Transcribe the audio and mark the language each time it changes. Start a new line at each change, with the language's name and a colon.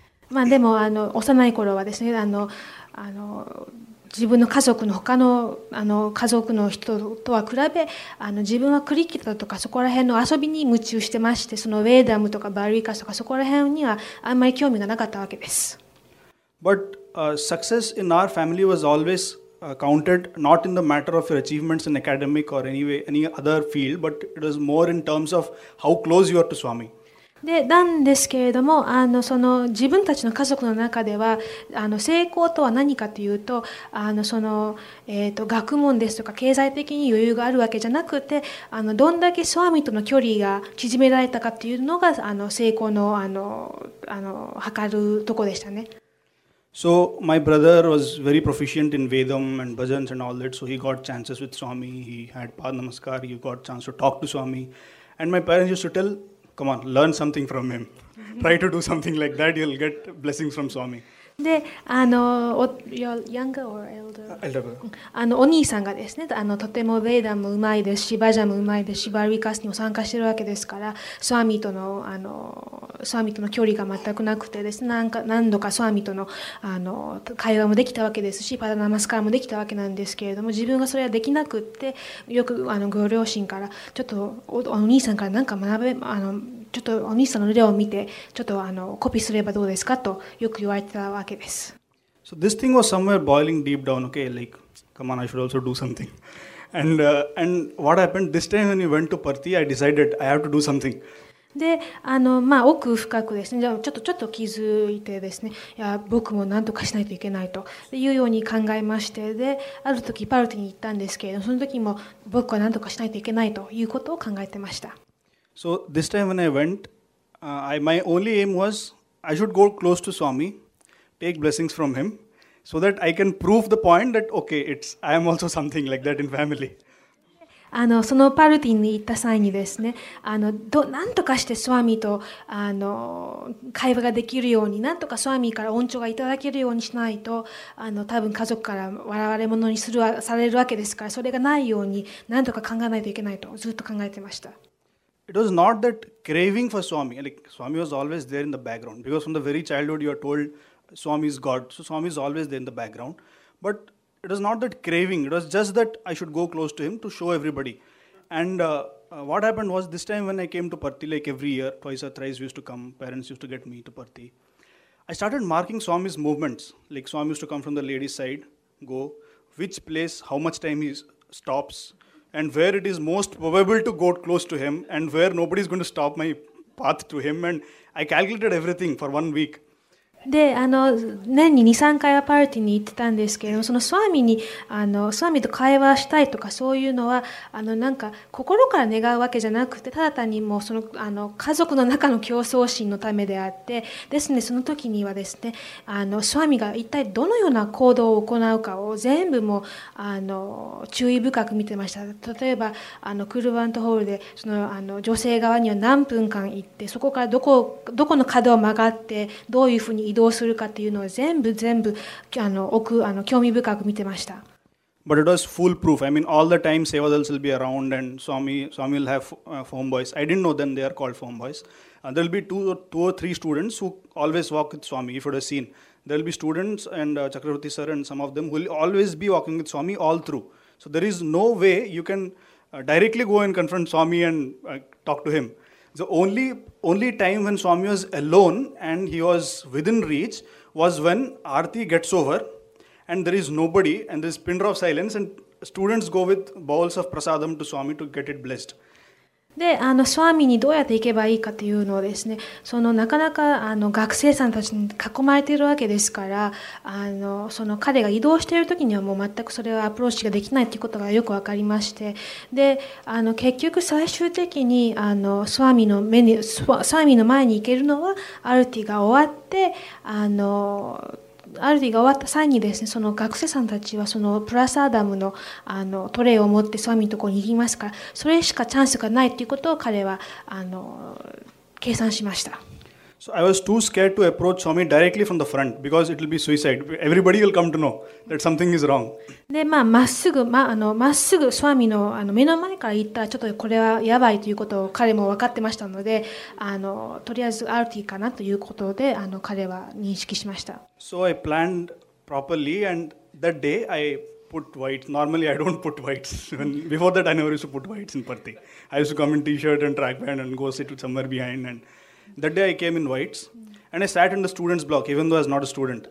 Japanese: まあでも幼い頃はですね、自分の家族の他の家族の人とは比べ、自分はクリケットとかそこら辺の遊びに夢中してまして、そのウェーダムとかバルイカスとかそこら辺にはあんまり興味がなかったわけです。
English: But success in our family was always counted not in the matter of your achievements in academic or any other field, but it was more in terms of how close you are to Swami.
Japanese: でなんですけれどもその自分たちの家族の中では成功とは何かというと学問ですとか経済的に余裕があるわけじゃなくてどんだけスワミとの距離が縮められたかというのが成功の測るところでしたね。
English: So my brother was very proficient in Vedam and bhajans and all that, so he got chances with Swami, he had Padnamaskar, he got chance to talk to Swami, and my parents used to tellCome on, learn something from him. Try to do something like that, you'll get blessings from Swami. で、あの、younger or elder? Elder.
Japanese: あの、お兄さんがですね、あの、とてもベーダもうまいですし、バジャもうまいですし、バルビカスにも参加してるわけですから、スワミとの、あの、スワミとの距離が全くなくてですね、なんか何度かスワミとの、あの、会話もできたわけですし、パダナマスカラもできたわけなんですけれども、自分がそれはできなくって、よく、あの、ご両親から、ちょっと お兄さんから何か学べ、あの、ちょっとお兄さんの例を見て、ちょっとあのコピーすればどうですかとよく言われてたわけです。
English: So this thing was somewhere boiling deep down, okay? Like, come on, I should also do something. And, and what happened this time when we went to Parthi, I decided I have to do something.
Japanese: で、あの、まあ、奥深くですね、じゃあちょっと気づいてですね、いや、僕も何とかしないといけないというように考えまして、で、ある時パルティに行ったんですけれども、その時も僕は何とかしないといけないということを考えてました。
English: So this time when I went, my only aim was I should go close to Swami, take blessings from him, so that I can prove the point that okay, it's I am also something like that in family.
Japanese: あのそのパルティに行った際にですね、あのど何とかしてスワミとあの会話ができるように、何とかスワミから恩寵がいただけるようにしないと、あの多分家族から笑われ者にするされるわけですから、それがないように何とか考えないといけないとずっと考えてました。
English: It was not that craving for Swami. Like Swami was always there in the background. Because from the very childhood, you are told Swami is God. So Swami is always there in the background. But it was not that craving. It was just that I should go close to him to show everybody. And what happened was this time when I came to Parthi, like every year, twice or thrice we used to come. Parents used to get me to Parthi. I started marking Swami's movements. Like Swami used to come from the lady's side, go, which place, how much time he stops. And where it is most probable to go close to him, and where nobody is going to stop my path to him, and I calculated everything for 1 week.
Japanese: で、あの年に 2,3 回はパーティーに行ってたんですけれども、そのスワミにあのスワミと会話したいとかそういうのはあのなんか心から願うわけじゃなくて、ただ単にもうそのあの家族の中の競争心のためであって、ですね、その時にはですね、あのスワミが一体どのような行動を行うかを全部もあの注意深く見てました。例えばあのクルバントホールでそのあの女性側には何分間行って、そこからどこの角を曲がってどういうふうに移動するかっていうのを全部あの奥あの興味深く見てました。
English: But it was foolproof. I mean, all the time Sevadals will be around and Swami will have foam boys. I didn't know then they are called foam boys. There will be two or three students who always walk with Swami. If you have seen, there will be students and Chakravarti sir and some of them who will always be walking with Swami all through. So there is no way you can directly go and confront Swami and talk to him. The only time when Swami was alone and he was within reach was when Aarti gets over and there is nobody and there is pin drop silence and students go with bowls of prasadam to Swami to get it blessed.
Japanese: で、あのスワミにどうやって行けばいいかというのをですね、そのなかなかあの学生さんたちに囲まれているわけですから、あのその彼が移動しているときにはもう全くそれはアプローチができないということがよく分かりまして、で、あの結局最終的にあのスワミの目にスワミの前に行けるのはアルティが終わって、あのアルティが終わった際にですね、その学生さんたちはそのプラスアダムの、あのトレイを持ってスワミのところに行きますから、それしかチャンスがないということを彼はあの計算しました。
English: So I was too scared to approach Swami directly from the front because it will be suicide. Everybody will come to know that something is wrong.
Japanese: で、まあ、まっすぐスワミの、あの目の前から行ったらちょっとこれはやばいということを彼も分かってましたので、あのとりあえずアルティかなということで、あの彼は認識しました。
English: So I planned properly and that day I put whites. Normally I don't put whites. Before that I never used to put whites in Parthi. I used to come in t-shirt and track band and go sit somewhere behind and That day I came in whites and I sat in the students block even though I was not a student.